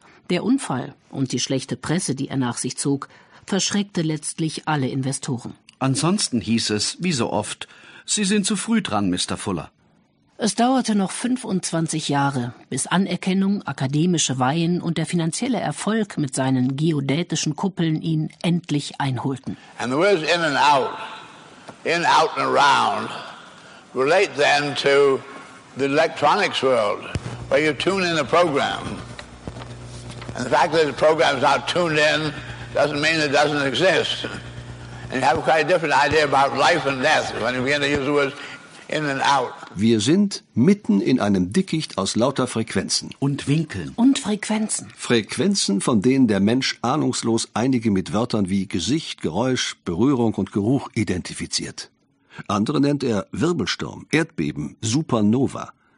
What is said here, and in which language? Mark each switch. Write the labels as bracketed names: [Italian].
[German] Der Unfall und die schlechte Presse, die er nach sich zog, verschreckte letztlich alle Investoren. Ansonsten hieß es, wie so oft, Sie sind zu früh dran, Mr. Fuller. Es dauerte noch 25 Jahre, bis Anerkennung, akademische Weihen und der finanzielle Erfolg mit seinen geodätischen Kuppeln ihn endlich einholten. [English] And the words in out and around, relate then to the electronics world, where you tune in a program. And the fact that the program is not tuned in doesn't mean it doesn't exist. And you have a quite different idea about life and death when you begin to use the words in and out. [German] Wir sind mitten in einem Dickicht aus lauter Frequenzen. Und Winkeln. Und Frequenzen. Frequenzen, von denen der Mensch ahnungslos einige mit Wörtern wie Gesicht, Geräusch, Berührung und Geruch identifiziert. Andere nennt er Wirbelsturm, Erdbeben, Supernova.